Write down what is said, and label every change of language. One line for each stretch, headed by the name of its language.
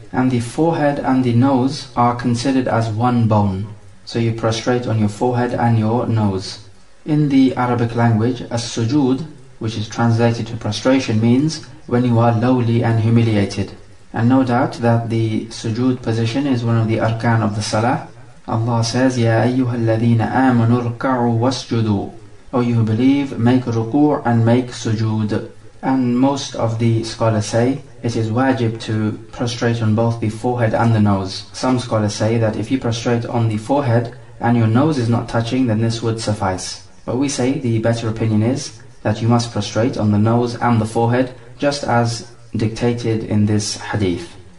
English: And the forehead and the nose are considered as one bone. So you prostrate on your forehead and your nose. In the Arabic language, as-sujood, which is translated to prostration, means when you are lowly and humiliated. And no doubt that the sujood position is one of the arkan of the salah. Allah says,
Arabic: يَا أَيُّهَا الَّذِينَ آمَنُوا ارْكَعُوا وَاسْجُدُوا.
English: O you who believe, make ruku' and make sujood. And most of the scholars say, it is wajib to prostrate on both the forehead and the nose. Some scholars say that if you prostrate on the forehead, and your nose is not touching, then this would suffice. But we say the better opinion is that you must prostrate on the nose and the forehead, just as dictated in this hadith.